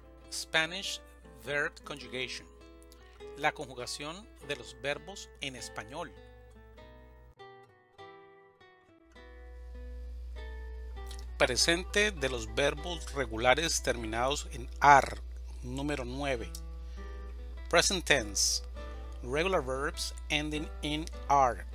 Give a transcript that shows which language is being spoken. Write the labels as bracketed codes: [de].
[en] Spanish verb conjugation. [es] La conjugación de los verbos en español. Presente de los verbos regulares terminados en AR. Número 9. [en] Present tense. Regular verbs ending in AR.